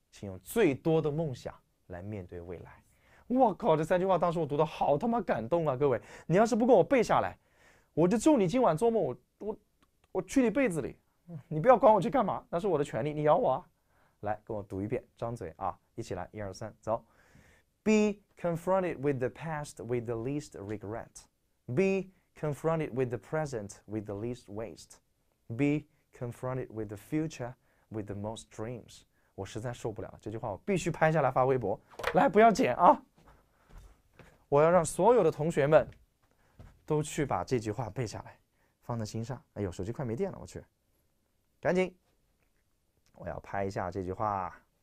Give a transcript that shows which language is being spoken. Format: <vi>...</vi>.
<zh>请用最多的梦想来面对未来。我靠，这3句话当时我读的好他妈感动啊！各位，你要是不跟我背下来，我就祝你今晚做梦，我去你被子里，你不要管我去干嘛，那是我的权利，你咬我啊！来，跟我读一遍，张嘴啊，一起来，1、2、3，走。</zh> <en>Be confronted with the past with the least regret. Be confronted with the present with the least waste. Be confronted with the future with the most dreams.</en> <zh>我实在受不了了，这句话我必须拍下来发微博。来，不要剪啊！我要让所有的同学们都去把这句话背下来，放在心上。哎呦，手机快没电了，我去。赶紧，我要拍一下这句话。</zh>